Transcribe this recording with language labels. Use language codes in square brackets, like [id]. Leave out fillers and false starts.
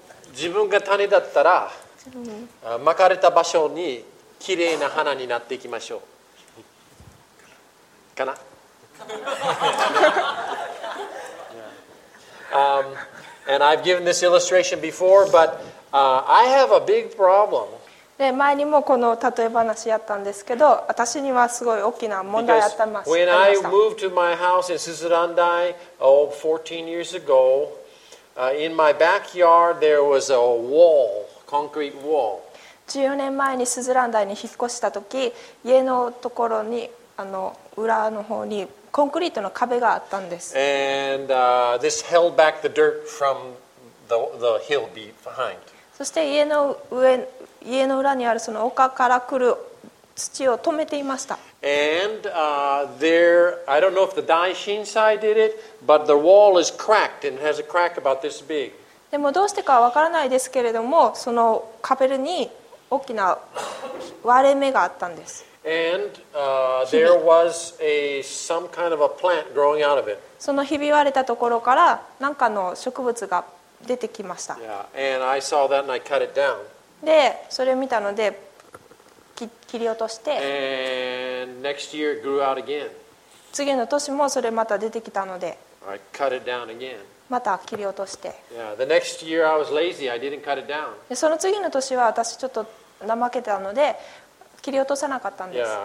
[ja] 自分が種だったら、まかれた場所にきれいな花になっていきましょうかな。 [en] and I've given this illustration before, but I have a big problem. [ja] で前にもこの例え話やったんですけど、私にはすごい大きな問題あったます。 [en] When I moved to my house in Suzurandai, 14 years ago, in my backyard there was a wall, concrete wall. [ja] 14年前にスズランダイに引っ越した時、家のところに裏の方にコンクリートの壁があったんです。 [en] And this held back the dirt from the hill behind. [ja] そして家の裏にあるその丘から来る土を止めていました。 [en] And there, I don't know if the Daishinsai did it, but the wall is cracked and has a crack about this big. [ja] でもどうしてかわからないですけれども、その壁に大きな割れ目があったんです。 [en] And there was some kind of a plant growing out of it. [ja] そのひび割れたところから何かの植物が出てきました。 [en] Yeah, and I saw that and I cut it down. [ja] で、それを見たので切り落として。 [en] And next year it grew out again. [ja] 次の年もそれまた出てきたので。 [en] I cut it down again. [ja] また切り落として。 [en] Yeah, the next year I was lazy. I didn't cut it down. [ja] でその次の年は私ちょっと怠けてたので切り落とさなかったんです。